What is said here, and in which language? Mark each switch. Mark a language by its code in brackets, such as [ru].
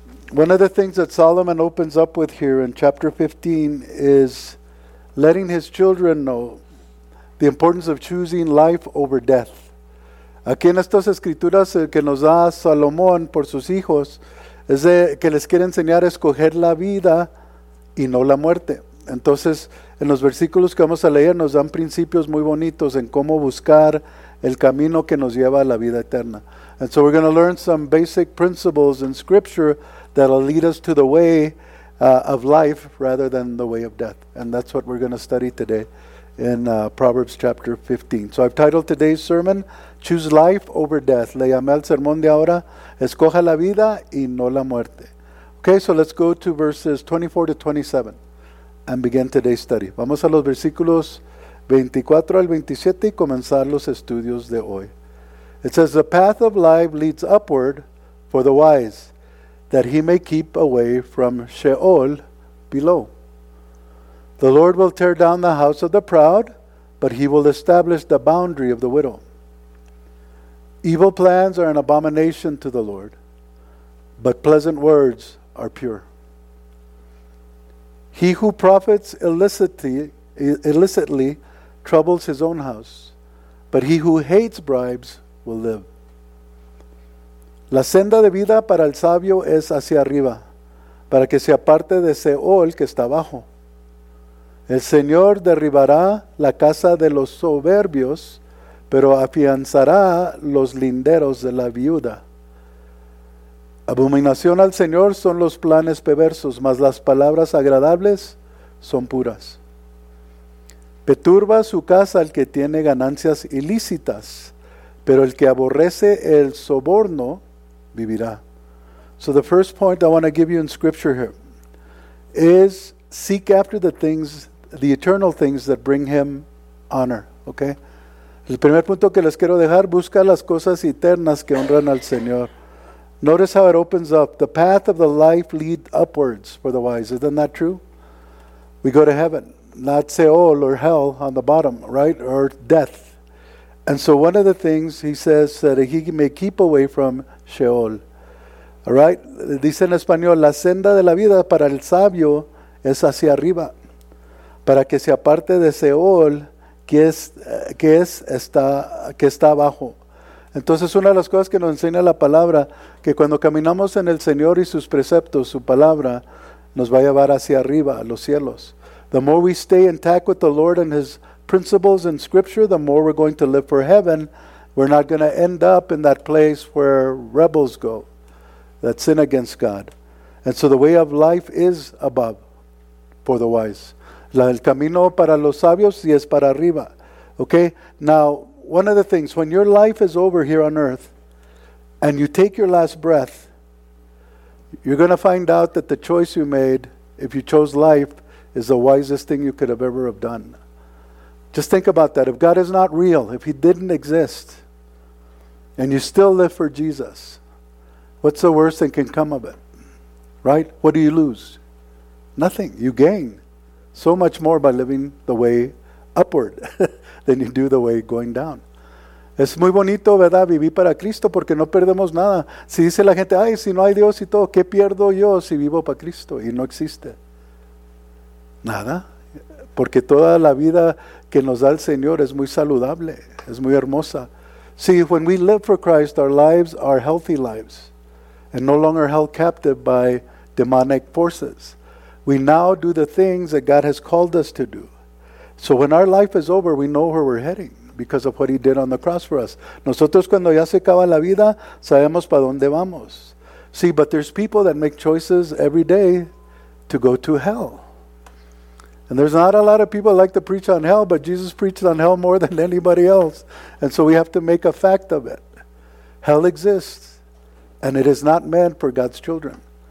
[en] One of the things that Solomon opens up with here in chapter 15 is letting his children know the importance of choosing life over death. [es] Aquí en estas escrituras que nos da Salomón por sus hijos es de que les quiere enseñar a escoger la vida y no la muerte. Entonces, en los versículos que vamos a leer nos dan principios muy bonitos en cómo buscar el camino que nos lleva a la vida eterna. [en] And so we're going to learn some basic principles in scripture that will lead us to the way of life rather than the way of death. And that's what we're going to study today in Proverbs chapter 15. So I've titled today's sermon, Choose Life Over Death. [es] Le llamé al sermón de ahora, Escoja la vida y no la muerte. [en] Okay, so let's go to verses 24 to 27 and begin today's study. [es] Vamos a los versículos 24 al 27 y comenzar los estudios de hoy. [en] It says, the path of life leads upward for the wise, that he may keep away from Sheol below. The Lord will tear down the house of the proud, but he will establish the boundary of the widow. Evil plans are an abomination to the Lord, but pleasant words are pure. He who profits illicitly troubles his own house, but he who hates bribes will live. [es] La senda de vida para el sabio es hacia arriba, para que se aparte de Seol que está abajo. El Señor derribará la casa de los soberbios, pero afianzará los linderos de la viuda. Abominación al Señor son los planes perversos, mas las palabras agradables son puras. Perturba su casa el que tiene ganancias ilícitas, pero el que aborrece el soborno vivirá. [en] So the first point I want to give you in scripture here is seek after the things, the eternal things that bring him honor, okay? [es] El primer punto que les quiero dejar, busca las cosas eternas que honran al Señor. [en] Notice how it opens up. The path of the life lead upwards for the wise. Isn't that true? We go to heaven, not Seol or hell on the bottom, right? Or death. And so one of the things he says that he may keep away from Sheol. All right? [es] Dice en español, la senda de la vida para el sabio es hacia arriba, para que se aparte de Seol, que está abajo. Entonces, una de las cosas que nos enseña la palabra, que cuando caminamos en el Señor y sus preceptos, su palabra, nos va a llevar hacia arriba, a los cielos. [en] The more we stay intact with the Lord and his principles in scripture, the more we're going to live for heaven. We're not going to end up in that place where rebels go, that sin against God. And so the way of life is above for the wise. [es] El camino para los sabios y es para arriba. [en] Okay? Now, one of the things, when your life is over here on earth and you take your last breath, you're going to find out that the choice you made, if you chose life, is the wisest thing you could have ever have done. Just think about that. If God is not real, if he didn't exist, and you still live for Jesus, what's the worst that can come of it? Right? What do you lose? Nothing. You gain so much more by living the way upward than you do the way going down. [es] Es muy bonito, ¿verdad? Vivir para Cristo porque no perdemos nada. Si dice la gente, ay, si no hay Dios y todo, ¿qué pierdo yo si vivo para Cristo y no existe? Nada. Porque toda la vida que nos da el Señor es muy saludable, es muy hermosa. [en] See, when we live for Christ, our lives are healthy lives and no longer held captive by demonic forces. We now do the things that God has called us to do. So when our life is over, we know where we're heading because of what he did on the cross for us. [es] Nosotros cuando ya se acaba la vida, sabemos para dónde vamos. [en] See, but there's people that make choices every day to go to hell. And there's not a lot of people like to preach on hell, but Jesus preached on hell more than anybody else. And so we have to make a fact of it. Hell exists, and it is not meant for God's children.